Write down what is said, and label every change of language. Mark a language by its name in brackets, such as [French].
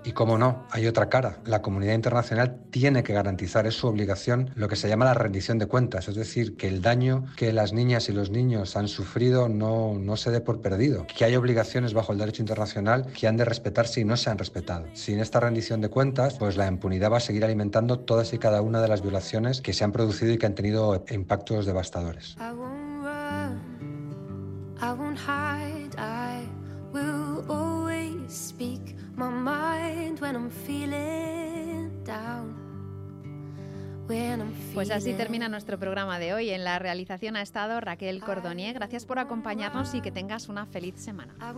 [Spanish] Y cómo no, hay otra cara. La comunidad internacional tiene que garantizar, es su obligación, lo que se llama la rendición de cuentas, es decir, que el daño que las niñas y los niños han sufrido no se dé por perdido, que hay obligaciones bajo el derecho internacional que han de respetarse y no se han respetado. Sin esta rendición de cuentas, pues la impunidad va a seguir alimentando todas y cada una de las violaciones que se han producido y que han tenido impactos devastadores. [English] I won't run, I won't hide, I will always speak my mind when I'm feeling down. [Spanish] Pues así termina nuestro programa de hoy. En la realización ha estado Raquel Cordonier. Gracias por acompañarnos y que tengas una feliz semana.